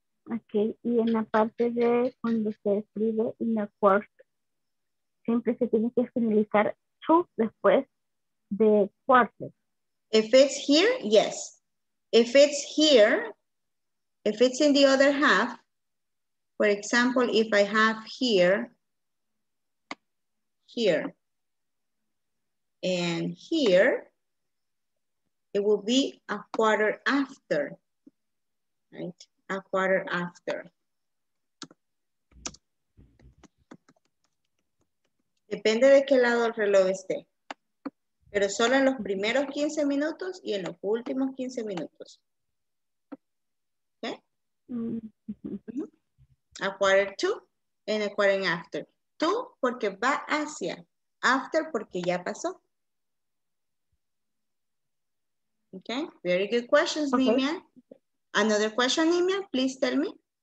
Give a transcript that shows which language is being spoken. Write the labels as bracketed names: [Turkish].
[Spanish] Okay, y en la parte de cuando se escribe [English] in a quarter, [Spanish] siempre se tiene que finalizar two después. [English] The quarter. If it's here, yes. If it's here, if it's in the other half, for example, if I have here, and here, it will be a quarter after, right? A quarter after. [Spanish] Depende de qué lado el reloj esté. Pero solo en los primeros 15 minutos y en los últimos 15 minutos. ¿Ok? [English] A quarter to and a quarter and after. [Spanish] To porque va hacia. After porque ya pasó. [English] ¿Ok? Very good questions, okay. Nimia. Another question, Nimia. Please tell me.